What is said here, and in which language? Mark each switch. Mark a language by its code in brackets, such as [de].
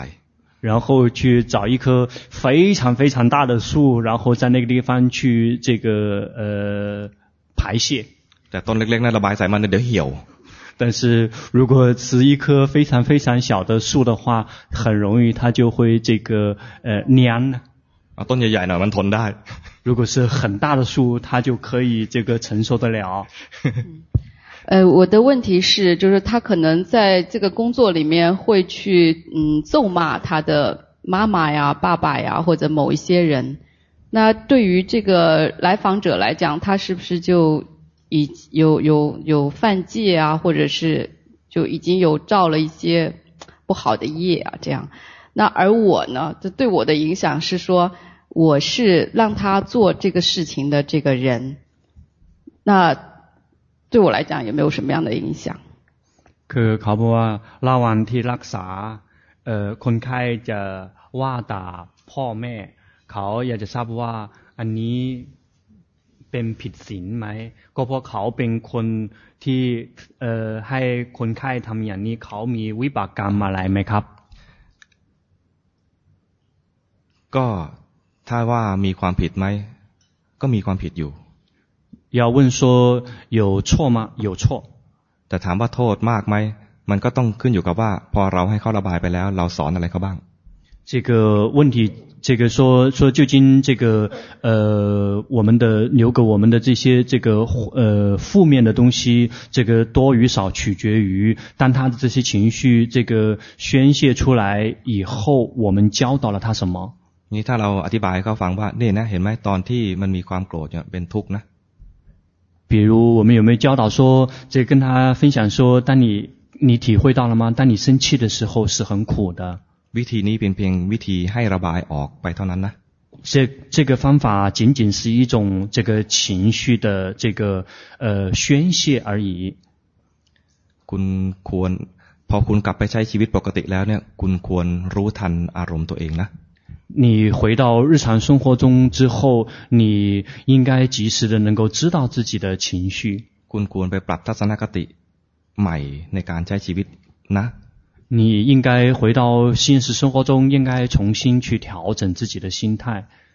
[zh] 然后去找一棵非常非常大的树然后在那个地方去这个排泄 [th] แต่ต้นเล็กๆนะระบายใส่มันเดี๋ยวเหี่ยว [zh] 但是如果是一棵非常非常小的树的话，很容易它就会这个蔫 [th] 啊，ต้นใหญ่ๆมันทนได้。 [zh] 如果是很大的树，它就可以这个承受得了。我的问题是，就是他可能在这个工作里面会去咒骂他的妈妈呀、爸爸呀，或者某一些人。那对于这个来访者来讲，他是不是就已有犯戒啊，或者是就已经有造了一些不好的业啊？这样。那而我呢，这对我的影响是说，我是让他做这个事情的这个人，那对我来讲也没有什么样的影响。 [th] คือเขาบอกว่าระหว่างที่รักษาคนไข้จะว่าด่าพ่อแม่เขาอยากจะทราบว่าอันนี้เป็นผิดศีลไหมก็เพราะเขาเป็นคนที่ให้คนไข้ทำอย่างนี้เขามีวิบากกรรมอะไรไหมครับ ก็ถ้าว่ามีความผิดไหมก็มีความผิดอยู่ [zh] 要问说有错吗有错 [th] แต่ถามว่าโทษมากไหมมันก็ต้องขึ้นอยู่กับว่าพอเราให้เขาระบายไปแล้วเราสอนอะไรเขาบ้าง [zh] 这个问题这个说究竟这个我们的留给我们的这些这个负面的东西这个多与少取决于当他的这些情绪这个宣泄出来以后我们教导了他什么 [th] นี่ถ้าเราอธิบายให้เขาฟังว่านี่นะเห็นไหมตอนที่มันมีความโกรธเป็นทุกข์นะ [zh] 比如我们有没有教导说这跟他分享说当你体会到了吗当你生气的时候是很苦的 [th] วิธีนี้เป็นวิธีให้ระบายออกไปเท่านั้นนะ [zh] 这个方法仅仅是一种这个情绪的这个宣泄而已 [th] คุณควรพอคุณกลับไปใช้ชีวิตปกติแล้วเนี่ยคุณควรรู้ทันอารมณ์ตัวเองนะ [zh] 你回到日常生活中之后你应该及时的能够知道自己的情绪你应该回到现实生活中应该重新去调整自己的心态